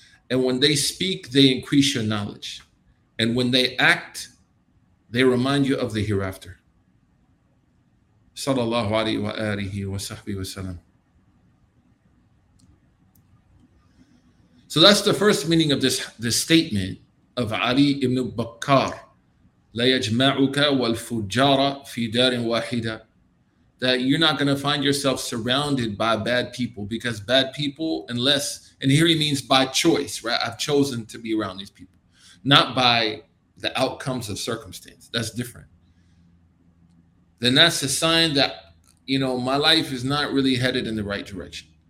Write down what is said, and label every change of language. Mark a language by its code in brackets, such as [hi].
[en] And when they speak, they increase your knowledge. And when they act, they remind you of the hereafter. [ar] Sallallahu alaihi wa sahbihi wasallam. [en] So that's the first meaning of this statement of Ali ibn Bakkar. [ar] لا يجمعك والفجار في دار واحدة. [en] That you're not going to find yourself surrounded by bad people, because bad people, unless, and here he means by choice, right? I've chosen to be around these people, not by the outcomes of circumstance. That's different. Then that's a sign that, you know, my life is not really headed in the right direction.